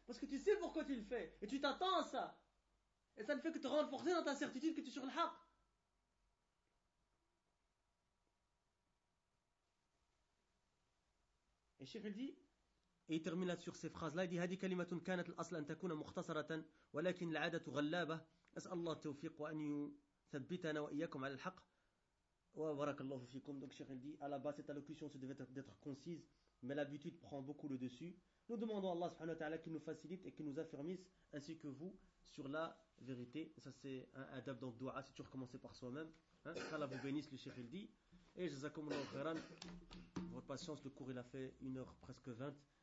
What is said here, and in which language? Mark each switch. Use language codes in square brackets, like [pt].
[fr] Parce que tu sais pourquoi tu le fais, et tu t'attends à ça. Et ça ne fait que te renforcer dans ta certitude que tu es sur le haq. Et Cheikh il dit, et il termine là sur ces phrases-là, il dit, [ar] هذه كلمة كانت الأصل أن تكون مختصرة ولكن العادة غلابة. أسأل الله التوفيق وأن يثبتنا وإياكم على الحق وبارك الله فيكم. [fr] Donc Cheikh il dit, à la base cette allocution se devait d'être concise, mais l'habitude prend beaucoup le dessus. Nous demandons à Allah subhanahu wa ta'ala qu'il nous facilite et qu'il nous affermisse ainsi que vous sur la vérité. Ça c'est un adab dans le doua, c'est toujours commencer par soi-même. Qu'Allah vous bénisse, le Cheikh il dit. Et jazakumullahu khairan. Votre patience, le cours il a fait 1h presque 20.